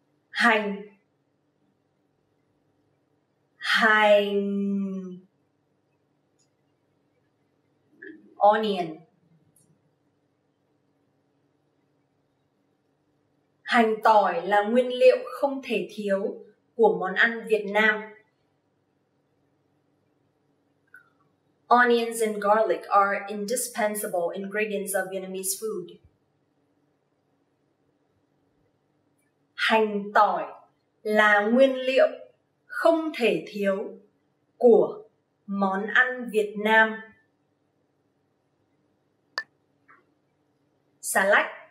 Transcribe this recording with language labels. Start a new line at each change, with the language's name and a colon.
Vietnamese: Hành, hành,
English: onion.
Vietnamese: Hành tỏi là nguyên liệu không thể thiếu của món ăn Việt Nam.
English: Onions and garlic are indispensable ingredients of Vietnamese food.
Vietnamese: Hành tỏi là nguyên liệu không thể thiếu của món ăn Việt Nam. Xà lách,